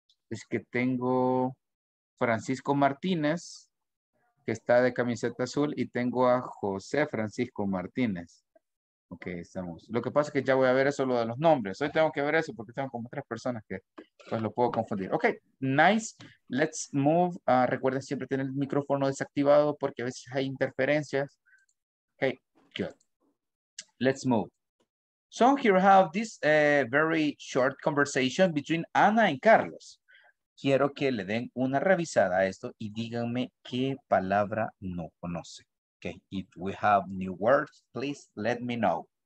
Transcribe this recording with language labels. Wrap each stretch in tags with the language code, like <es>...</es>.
<es>Es que tengo Francisco Martínez, que está de camiseta azul, y tengo a José Francisco Martínez. Ok, estamos. Lo que pasa es que ya voy a ver eso, lo de los nombres. Hoy tengo que ver eso porque tengo como tres personas que pues lo puedo confundir.</es> <en>Ok, nice. Let's move.</en> <es>Recuerden siempre tener el micrófono desactivado porque a veces hay interferencias.</es> <en>Okay. Good. Let's move. So here I have this very short conversation between Ana and Carlos.</en> <es>Quiero que le den una revisada a esto y díganme qué palabra no conoce.</es> <en>Okay. If we have new words, please let me know.</en>